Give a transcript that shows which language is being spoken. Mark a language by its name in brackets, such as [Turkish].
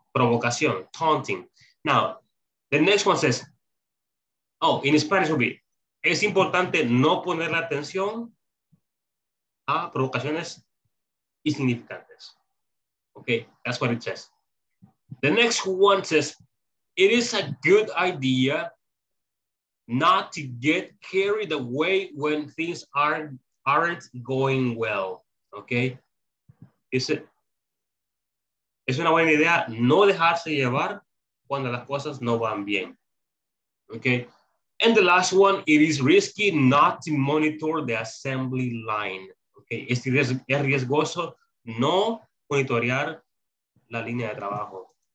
[English] Provocación, taunting. Now, the next one says, oh, in Spanish will be, [Spanish] es importante no poner la atención a provocaciones insignificantes. [English] Okay, that's what it says. The next one says, it is a good idea not to get carried away when things aren't going well, okay? [Spanish] Es una buena idea no dejarse llevar cuando las cosas no van bien. [English] Okay. And the last one, it is risky not to monitor the assembly line. Okay. [Spanish] Es riesgoso no monitorear la línea de trabajo.